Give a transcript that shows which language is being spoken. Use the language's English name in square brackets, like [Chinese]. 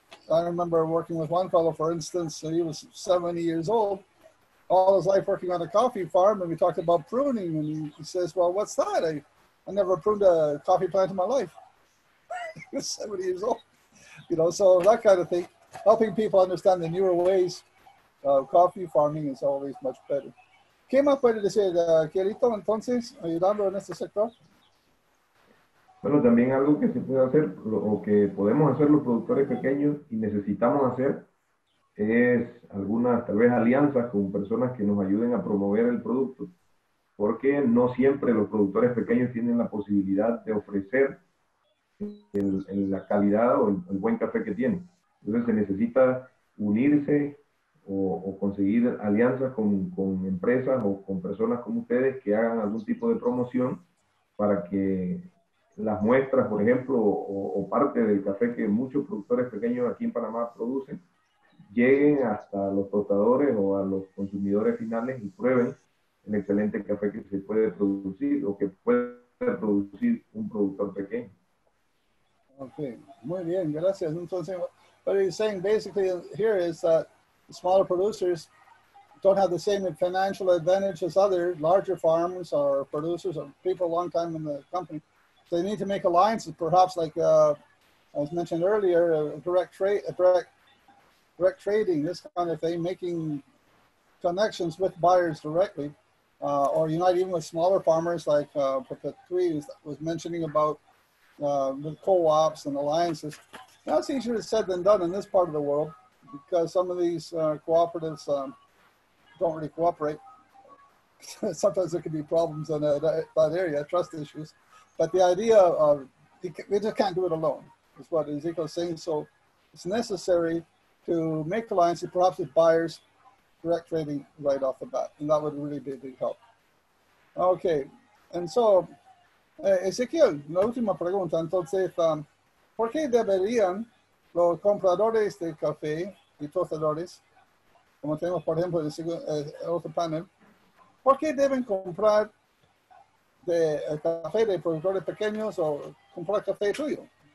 [English] I remember working with one fellow, for instance, he was 70 years old, all his life working on a coffee farm, and we talked about pruning. And he says, well, what's that? I never pruned a coffee plant in my life. He was 70 years old. You know, so that kind of thing. Helping people understand the newer ways of coffee farming is always much better. [Spanish] ¿Qué más puede decir, Kierito, entonces, ayudando en este sector? Bueno, también algo que se puede hacer, o que podemos hacer los productores pequeños y necesitamos hacer, es algunas, tal vez, alianzas con personas que nos ayuden a promover el producto. Porque no siempre los productores pequeños tienen la posibilidad de ofrecer la calidad o el buen café que tienen. Entonces se necesita unirse o conseguir alianzas con empresas o con personas como ustedes que hagan algún tipo de promoción para que las muestras, por ejemplo, o parte del café que muchos productores pequeños aquí en Panamá producen, lleguen hasta los tostadores o a los consumidores finales y prueben el excelente café que se puede producir o que puede producir un productor pequeño. Ok, muy bien, gracias. [English] Entonces, what he's saying basically here is that smaller producers don't have the same financial advantage as other larger farms or producers or people a long time in the company. So they need to make alliances, perhaps like as mentioned earlier, direct trading, this kind of thing, making connections with buyers directly, or unite even with smaller farmers like Perpetue was mentioning about the co-ops and alliances. That's easier said than done in this part of the world, because some of these cooperatives don't really cooperate. Sometimes there can be problems in that area, trust issues. But the idea of, we just can't do it alone, is what Ezequiel is saying. So it's necessary to make alliances, perhaps with buyers, direct trading right off the bat. And that would really be a big help. Okay. And so, Ezequiel, [Spanish] la última pregunta. Entonces, ¿por qué deberían los compradores de café y tostadores, como tenemos, por ejemplo, en el otro panel, ¿por qué deben comprar de café de productores pequeños o comprar café tuyo?